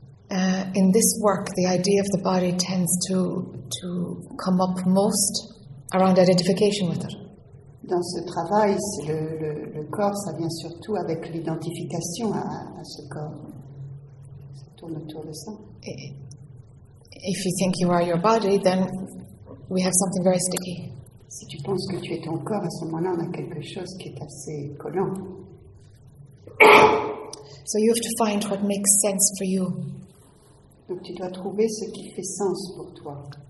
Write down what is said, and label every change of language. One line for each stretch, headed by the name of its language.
English: In this work, the idea of the body tends to come up most around identification with it.
French: Dans ce travail, le corps, ça vient surtout avec l'identification à ce corps. Ça tourne autour de ça.
English: If you think you are your body, then we have something very sticky.
French: Si tu penses que tu es ton corps, à ce moment-là, on a quelque chose qui est assez collant.
English: So you have to find what makes sense for you.
French: Donc tu dois trouver ce qui fait sens pour toi.